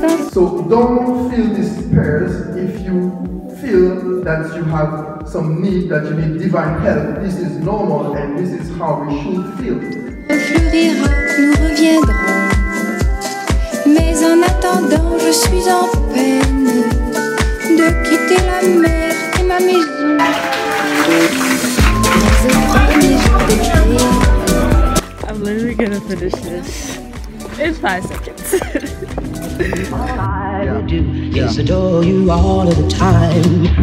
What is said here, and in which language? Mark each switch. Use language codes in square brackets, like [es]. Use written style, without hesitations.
[en] So don't feel this Paris if you feel that you have some need, that you need divine help. This is normal and this is how we should feel. [fr] Nous fleurirons, nous reviendrons. Mais en attendant, je suis en peine de quitter la mer et ma maison. [en] I'm literally gonna finish this in 5 seconds. All I do is adore you all of the time.